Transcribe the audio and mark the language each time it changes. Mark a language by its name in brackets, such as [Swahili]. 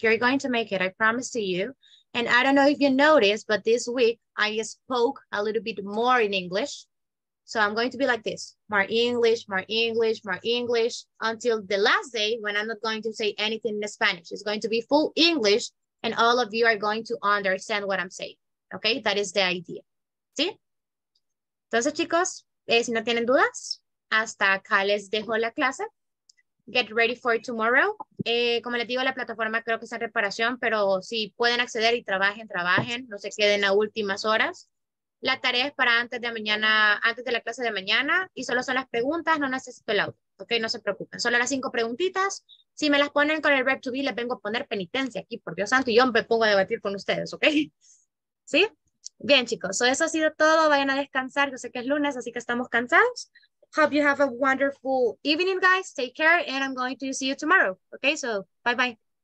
[English] You're going to make it, I promise to you. And I don't know if you noticed, but this week I spoke a little bit more in English. So I'm going to be like this. More English, more English, more English. Until the last day when I'm not going to say anything in Spanish. It's going to be full English and all of you are going to understand what I'm saying. Okay, that is the idea. [Spanish] ¿Sí? Entonces, chicos, si no tienen dudas, hasta acá les dejo la clase. [English] Get ready for tomorrow. [Spanish] Como les digo, la plataforma creo que está en reparación, pero si pueden acceder y trabajen, no se queden a últimas horas. La tarea es para antes de la clase de mañana, y solo son las preguntas, no necesito el audio, ¿ok? No se preocupen, solo las 5 preguntitas. Si me las ponen con el verb to be, les vengo a poner penitencia aquí, por Dios santo, y yo me pongo a debatir con ustedes, ¿ok? ¿sí? Bien, chicos, so eso ha sido todo. Vayan a descansar. Yo sé que es lunes, así que estamos cansados. [English] Hope you have a wonderful evening, guys. Take care, and I'm going to see you tomorrow. Okay, so bye-bye.